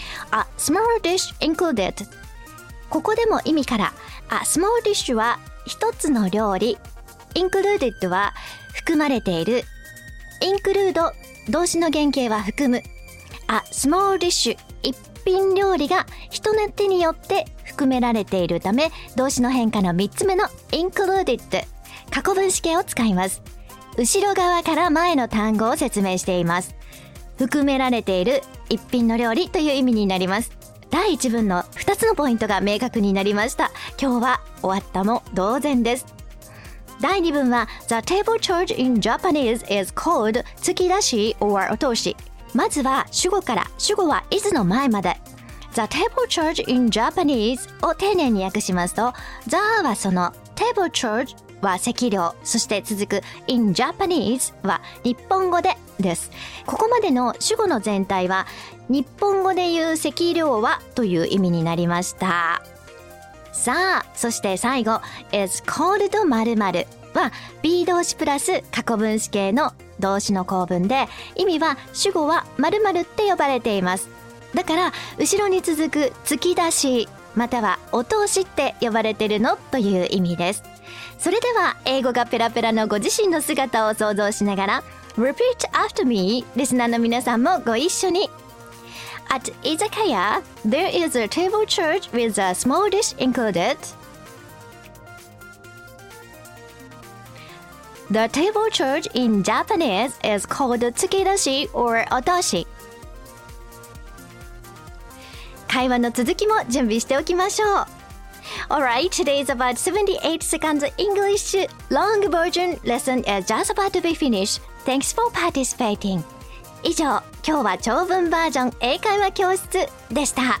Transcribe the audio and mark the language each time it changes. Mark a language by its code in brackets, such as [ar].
[en] A small dish included、 [ja] ここでも意味から、A small dish は一つの料理、 included は含まれている、 include 動詞の原型は含む、 A small dish 一品料理が人の手によって含められているため、動詞の変化の3つ目の included、 過去分詞形を使います。後ろ側から前の単語を説明しています。含められている一品の料理という意味になります。第1文の2つのポイントが明確になりました。今日は終わったも同然です。第2文は、 [en] The table charge in Japanese is called 突き出し or 落とし。 [ja] まずは主語から。主語は is の前まで。 [en] The table charge in Japanese [ja] を丁寧に訳しますと、 The はその、 table charge は席料、そして続く in Japanese は日本語でです。ここまでの主語の全体は日本語で言う席料はという意味になりました。さあ、そして最後 is called 〇〇は be 動詞プラス過去分詞形の動詞の構文で、意味は主語は〇〇って呼ばれています。だから後ろに続く突き出しまたはお通しって呼ばれてるのという意味です。それでは英語がペラペラのご自身の姿を想像しながら、 [en] Repeat after me、 [ja] リスナーの皆さんもご一緒に。 [en] At 居酒屋 There is a table charge with a small dish included. The table charge in Japanese is called 付け出し or 落とし。 [ja] 会話の続きも準備しておきましょう。 [en] Alright, today is about 78 seconds English. Long version lesson is just about to be finished. Thanks for participating. [ja] 以上、今日は長文バージョン英会話教室でした。